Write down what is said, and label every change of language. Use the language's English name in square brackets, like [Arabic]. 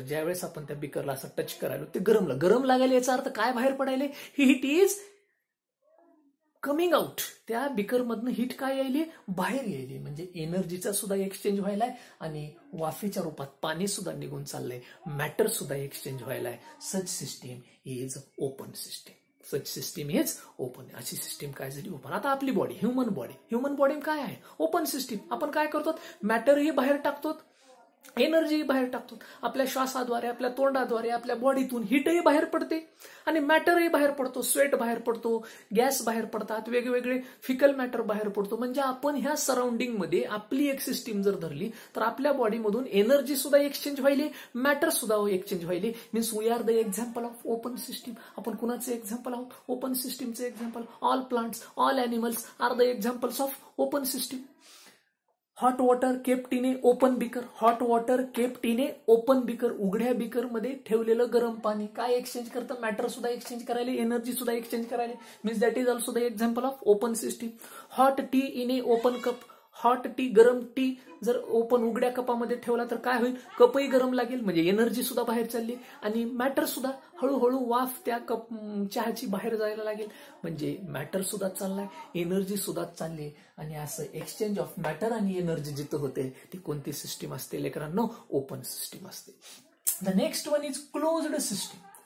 [Marathi] ज्यावेळेस आपण त्या बीकरला असं टच करायलो ते गरमलं. गरम लागायला याचा अर्थ काय, बाहेर पडायले, [English] Heat is coming out. [Marathi] त्या बीकर मधनं हीट काय यायली, बाहेर यायली. म्हणजे एनर्जीचा सुद्धा एक्सचेंज व्हायलाय आणि वाफेच्या रूपात पाणी सुद्धा निघून चाललंय, मॅटर सुद्धा exchange व्हायलाय. [English] Such system is open system. [Marathi] Such system हेच ओपन. अशी सिस्टीम काय झाली, ओपन. आता आपली body, human body, human body काय आहे, ओपन सिस्टीम. आपण काय करतो, मॅटरही बाहेर टाकतो, एनर्जीही बाहेर टाकतो. आपल्या श्वासाद्वारे, आपल्या तोंडाद्वारे, आपल्या बॉडीतून हीटही बाहेर पडते आणि मॅटरही बाहेर पडतो. स्वेट बाहेर पडतो, गॅस बाहेर पडतात, वेगवेगळे फिकल मॅटर बाहेर पडतो. म्हणजे आपण ह्या सराउंडिंग मध्ये आपली एक सिस्टीम जर धरली तर आपल्या बॉडीमधून एनर्जी सुद्धा एक्सचेंज व्हायली, मॅटर सुद्धा exchange व्हायली. [English] Means we are the example of open system. [Marathi] आपण कुणाचं एक्झाम्पल आहोत, open सिस्टीमचं example. [English] All plants, all animals are the examples of open system. Hot water kept in a open beaker, hot water kept in a open beaker. [Marathi] उघड्या beaker मध्ये ठेवलेलं गरम पाणी काय exchange करतं, मॅटर सुद्धा एक्सचेंज करायला, एनर्जी सुद्धा एक्सचेंज करायला. [English] Means that is also the example of open system. Hot tea in a open cup, hot tea, [Marathi] गरम टी जर ओपन उघड्या कपामध्ये ठेवला तर काय होईल, कपही गरम लागेल. म्हणजे एनर्जी सुद्धा बाहेर चालली आणि मॅटर सुद्धा हळूहळू वाफ त्या कप चहाची बाहेर जायला लागेल. म्हणजे मॅटर सुद्धा चाललाय, एनर्जी सुद्धा चालली. आणि असं एक्सचेंज ऑफ मॅटर आणि एनर्जी जिथं होते ती कोणती सिस्टीम असते लेकरांनो, ओपन सिस्टीम असते. [English] The next one is closed system.